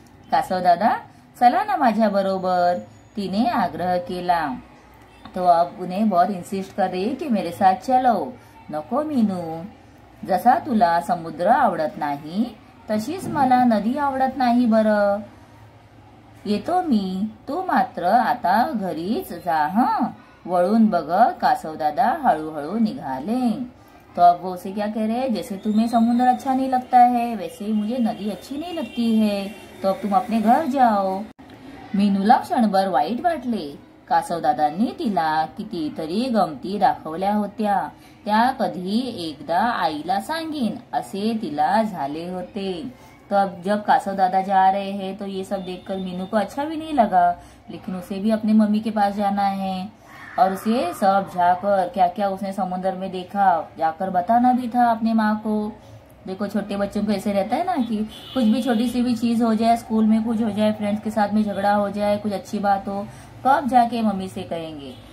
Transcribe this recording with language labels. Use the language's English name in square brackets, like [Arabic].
[Marathi] कासव दादा चला ना माझ्या बरोबर, तिने आग्रह केला। [Hindi] तो अब उन्हें बहुत इन्सिस्ट कर रही है कि मेरे साथ चलो। [Marathi] नको मीनू, जसा तुला समुद्र आवडत नाही तशीच मला नदी आवडत नाही बर, येतो मी, तू मात्र आता घरीच जा हं। वळून बघ, कासव दादा हळूहळू निघाले। [Hindi] तो अब वो उसे क्या कह रहे है, जैसे तुम्हें समुद्र अच्छा नहीं लगता है वैसे ही मुझे नदी अच्छी नहीं लगती है, तो अब तुम अपने घर जाओ। [Marathi] मीनूला क्षणभर वाईट वाटले, कासव दादांनी तिला किती तरी गमती दाखवल्या होत्या, त्या कधी एकदा आईला सांगीन असे तिला झाले होते। [Hindi] तो अब जब कासव दादा जा रहे हैं तो ये सब देखकर मीनू को अच्छा भी नहीं लगा, लेकिन उसे भी अपने मम्मी के पास जाना है, और उसे सब जाकर क्या क्या उसने समुन्द्र में देखा जाकर बताना भी था अपने माँ को। देखो छोटे बच्चों को ऐसे रहता है ना कि कुछ भी छोटी सी भी चीज हो जाए, स्कूल में कुछ हो जाए, फ्रेंड्स के साथ में झगड़ा हो जाए, कुछ अच्छी बात हो, कब जाके मम्मी से कहेंगे।